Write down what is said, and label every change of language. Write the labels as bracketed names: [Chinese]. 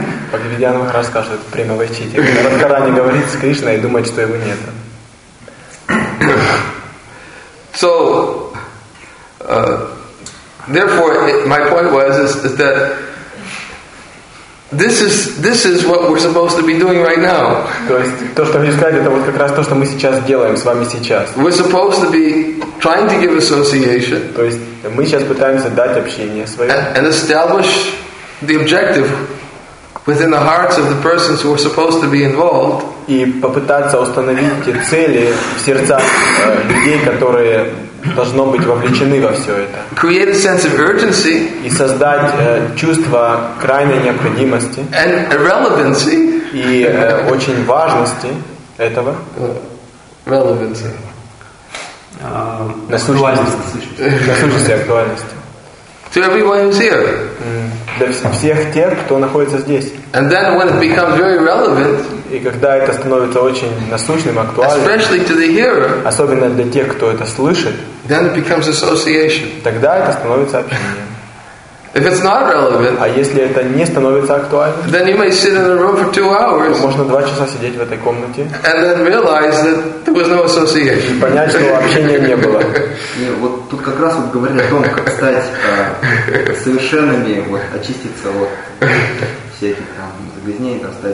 [Russian] Подведя нам раз скажет, это прямо войти. Радхарани говорит с Кришной и думает, что его нет. [English] So, therefore, my point was is that this is what we're supposed to be doing right now. [Russian] То есть то, что мы сказали, это вот как раз то, что мы сейчас делаем с вами сейчас. [English] We're supposed to be trying to give association. [Russian] То есть мы сейчас пытаемся дать общение своё. [English] And establish the objective within the hearts of the persons who are supposed to be involved. [Russian] И попытаться установить те цели в сердцах людей, которые должно быть вовлечены во все это. [English] Create a sense of urgency. [Russian] И создать чувство крайней необходимости. [English] And relevancy. [Russian] И очень важности этого. [English] Relevancy. [Russian] Насущности актуальности. [English] To everyone who's here. [Russian] Для всех тех, кто находится здесь. [English] And then when it becomes very relevant. [Russian] И когда это становится очень насущным, актуальным, [English] especially to the hearer, [Russian] особенно для тех, кто это слышит, [English] then it becomes association. [Russian] Тогда это становится общением. [English] If it's not relevant, [Russian] а если это не становится актуальным, [English] then you may sit in a room for 2 hours, [Russian] то можно 2 часа сидеть в этой комнате, [English] and then realize that there was no association. [Russian] И понять, что общения не было. Вот тут как раз вот говорили о том, как стать совершенными, вот, очиститься от всяких там